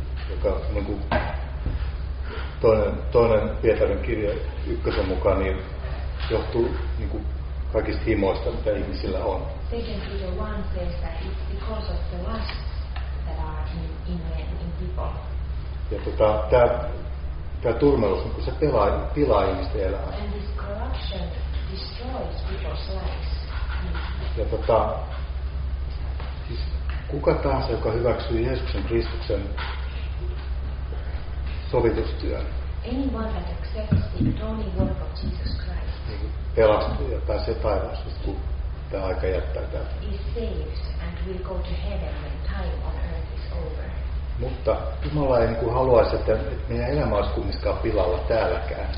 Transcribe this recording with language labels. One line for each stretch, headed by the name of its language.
Finnish: Joka niin kuin toinen Pietarin kirja ykkösen mukaan niin johtuu niin kuin kaikista himoista, mitä ihmisillä on.
English: Second Peter 1 says that it's because of the lusts that are in people.
Finnish: Ja tämä turmelus, niin kuin se pilaa ihmisten elämää.
English: And this corruption destroys people's lives.
Finnish: Ja siis kuka tahansa, joka hyväksyy Jeesuksen Kristuksen sovitustyön.
English: Anyone that accepts the atoning work of Jesus Christ.
Finnish: Pelastuu ja pääsee taivaaseen, kun tämä aika jättää täältä.
English: Is saved and will go to heaven when time on earth is over.
Finnish: Mutta Jumala ei niin haluaisi, että meidän elämä olisi kumminkaan pilalla täälläkään.